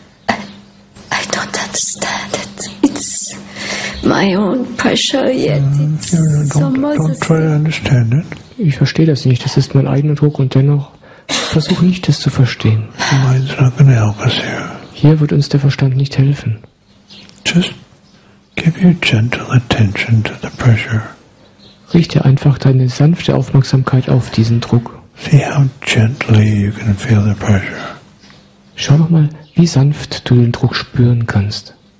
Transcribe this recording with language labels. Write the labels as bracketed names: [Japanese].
[English] I don't understand. understand it. It's my own pressure yet. Don't try to understand it. [German] Ich verstehe das nicht. Das ist mein eigener Druck und dennoch versuche nicht, das zu verstehen. [English] The mind's not gonna help us here. [German] Hier wird uns der Verstand nicht helfen. [English] Just give your gentle attention to the pressure. [German] Richte einfach deine sanfte Aufmerksamkeit auf diesen Druck. [English] See how gently you can feel the pressure. [German] Schau noch mal, wie sanft du den Druck spüren kannst.